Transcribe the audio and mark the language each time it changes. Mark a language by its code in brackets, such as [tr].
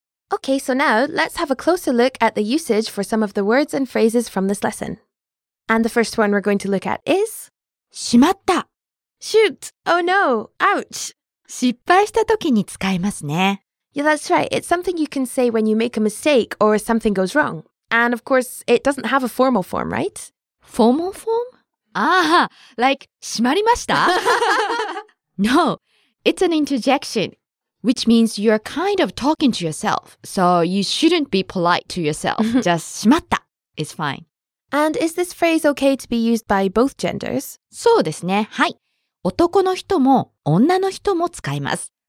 [en] Okay, so now let's have a closer look at the usage for some of the words and phrases from this lesson. And the first one we're going to look at is? [ja] しまった。 [en] Shoot! Oh no! Ouch! [ja] 失敗した時に使いますね。 [en] Yeah, that's right. It's something you can say when you make a mistake or something goes wrong. And of course, it doesn't have a formal form, right? Formal form? Ah, like, しまりました? No, it's an interjection, which means you're kind of talking to yourself. So you shouldn't be polite to yourself. Just しまった is fine. And is this phrase okay to be used by both genders? [ja] そうですね。はい。男の人も女の人も使います。